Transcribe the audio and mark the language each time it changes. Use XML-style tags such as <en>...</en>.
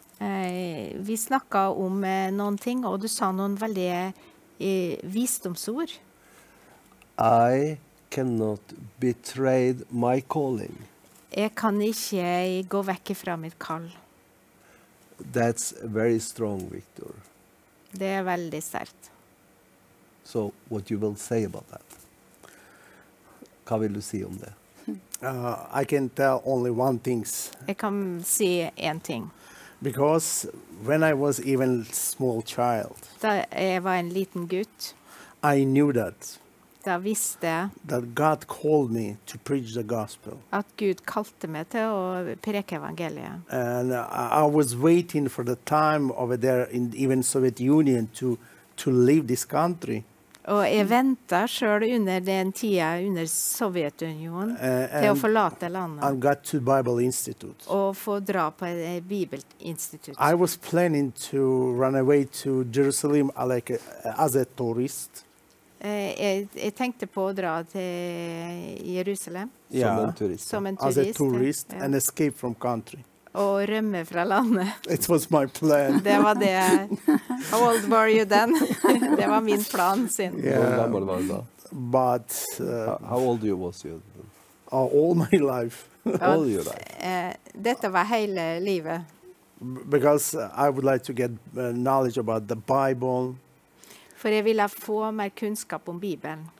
<no>Vi snakket om noen ting, og du sa noen veldig visdomsord.</no> <en>I cannot betray my calling.</en> <no>Jeg kan ikke gå vekk fra mitt kall.</no> <en>That's very strong, Victor.</en> <no>Det er veldig sterkt.</no> <en>So, what you will say about that?</en> <no>Hva vil du si om det?</no> <en>I can tell only one things.</en> <no>Jeg kan si en ting.</no> <en>Because when I was even a small child,</en> <no>da jeg var en liten gutt,</no> <en>I knew that.</en> <no>Da visste jeg.</no> <en>That God called me to preach the gospel.</en> <no>At Gud kalte meg til å preke evangeliet.</no> <en>And I was waiting for the time over there in even Soviet Union to leave this country.</en> <no>Og jeg ventet selv under den tiden under Sovjetunionen til å forlate landet.</no> <en>And got to Bible Institute.</en> <no>Og få dra på Bibelinstitutt.</no> <en>I was planning to run away to Jerusalem like as a tourist.</en> <no>Jeg tenkte på å dra til Jerusalem. Yeah. Som en turist. Som en turist.</no> <en>As a tourist and escape from country.</en> <no>Og rømme fra landet.</no> <en>It was my plan.</en> <no>Det var det.</no> <en>How old were you then?</en> <no>Det var min plan sin.</no> <en>Yeah. But how old you was you? All my life. All your life.</en> <no>Dette var hele livet.</no> <en>Because I would like to get knowledge about the Bible.</en> <no>For jeg ville få mer kunnskap om Bibelen.</no>